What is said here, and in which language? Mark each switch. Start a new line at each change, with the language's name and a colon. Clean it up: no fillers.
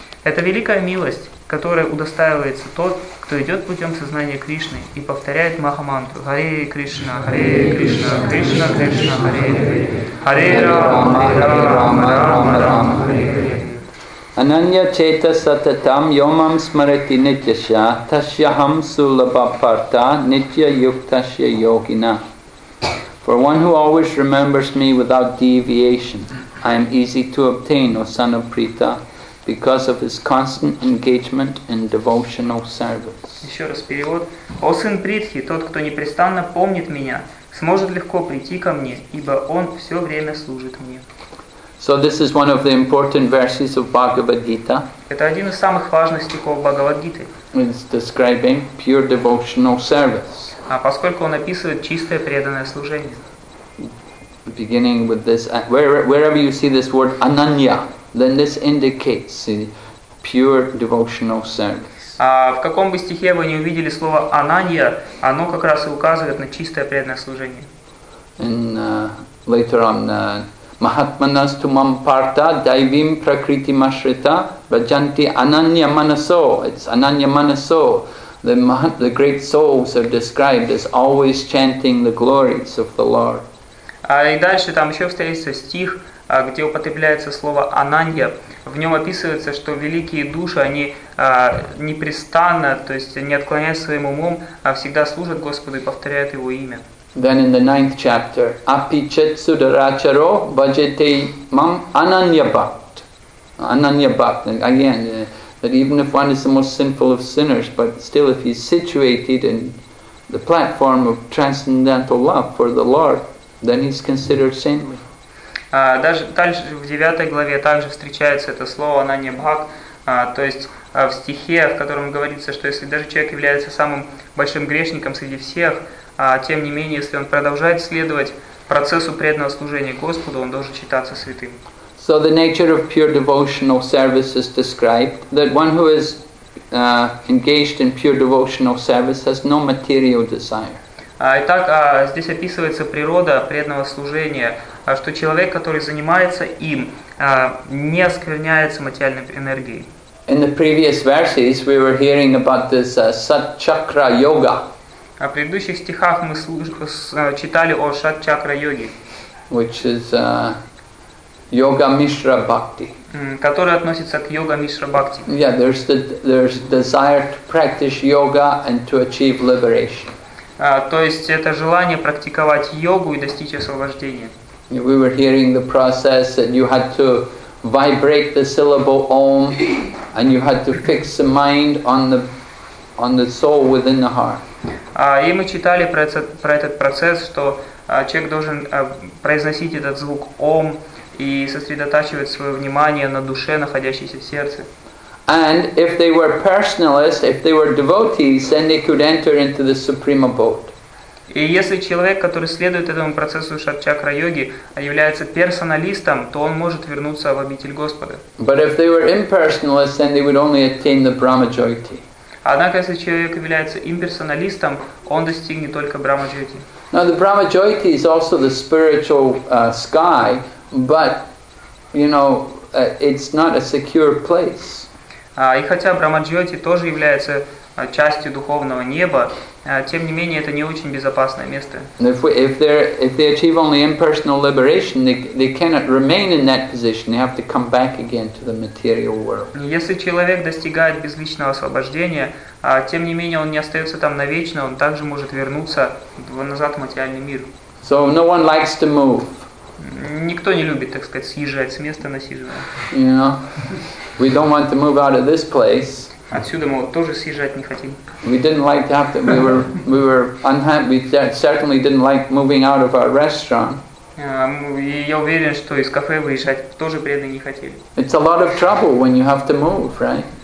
Russian: Это великая милость, которой удостаивается тот, кто идет путем сознания Кришны и повторяет Маха-мантру «Харе Кришна, Харе Кришна, Кришна Кришна, Кришна Харе Харе, Харе Рама, Харе Рама, Рама Рама, Харе Харе».
Sanskrit: Ананья чета сататам йомам смарати нитяша тасьяхам сулаба парта нитья юктасья йогина.
English: For one who always remembers me without deviation, I am easy to obtain, O son of Prita, because of his constant engagement in devotional service.
Russian: Еще раз перевод. О сын Притхи, тот, кто непрестанно помнит меня, сможет легко прийти ко мне, ибо он все время служит мне.
English: So this is one of the important verses of Bhagavad Gita.
Russian: Это один из самых важных стихов Бхагавад Гиты.
English: It's describing pure devotional service.
Russian: А поскольку он описывает чистое преданное служение.
English: Beginning with this, wherever you see this word ananya, then this indicates pure devotional service.
Russian: А в каком бы стихе вы не увидели слово ананья, оно как раз и указывает на чистое преданное служение.
English: And later on,
Sanskrit: Mahatmanas tumam parta daivim prakriti mashrita bhajanti ananya manaso.
English: It's ananya manaso. The great souls are described as always chanting the glories of the Lord.
Russian: А и дальше там еще встретится стих, где употребляется слово ананья. В нем описывается, что великие души, они непрестанно, то есть не отклоняясь своим умом, а всегда служат Господу и повторяют Его имя.
English: Then in the ninth chapter,
Sanskrit: apichet sudaracharo bhajate mam ananyabhakt.
English: Ananyabhakt, again, that even if one is the most sinful of sinners, but still if he's situated in the platform of transcendental love for the Lord, then he's considered saintly.
Russian: Даже дальше в 9 главе также встречается это слово ананьябхак, то есть в стихе, в котором говорится, что если даже человек является самым большим грешником среди всех, тем не менее, если он продолжает следовать процессу преданного служения Господу, он должен считаться святым.
English: So the nature of pure devotional service is described that one who is engaged in pure devotional service has no material desire.
Russian: Итак, здесь описывается природа преданного служения, что человек, который занимается им, не оскверняется материальной энергией.
English: In the previous verses we were hearing about this sat-chakra yoga.
Russian: В предыдущих стихах мы читали о сат-чакра йоге,
English: which is Yoga Mishra Bhakti.
Russian: Который относится к Yoga Mishra Bhakti.
English: Yeah, there's desire to practice yoga and to achieve liberation.
Russian: То есть это желание практиковать йогу и достичь освобождения.
English: We were hearing the process that you had to vibrate the syllable Om and you had to fix the mind on the soul within the heart.
Russian: И мы читали про этот процесс, что человек должен произносить этот звук Om и сосредотачивать свое внимание на душе, находящейся в сердце.
English: And if they were personalists, if they were devotees, then they could enter into the supreme abode.
Russian: И если человек, который следует этому процессу шат-чакра-йоги, является персоналистом, то он может вернуться в обитель Господа.
English: But if they were impersonalists, then they would only attain the Brahma-jyoti.
Russian: Однако, если человек является имперсоналистом, он достигнет только Брахма-джойти.
English: Now the Brahma-jyoti is also the spiritual sky, but you know it's not a secure place.
Russian: И хотя Брахма-джойти тоже является частью духовного неба, тем не менее это не очень безопасное место.
English: If they achieve only impersonal liberation, they cannot remain in that position. They have to come back again to the material world.
Russian: Если человек достигает безличного освобождения, тем не менее он не остается там навечно, он также может вернуться назад в материальный мир.
English: So no one likes to move.
Russian: Никто не любит, так сказать, съезжать с места насиженного.
English: You know, we don't want to move out of this place.
Russian: Отсюда мы вот тоже съезжать не хотим.
English: We didn't like to have to, we were unhappy. We certainly didn't like moving out of our restaurant.
Russian: Я уверен, что из кафе выезжать тоже преданно не хотели.
English: It's a lot of trouble when you have to move, right?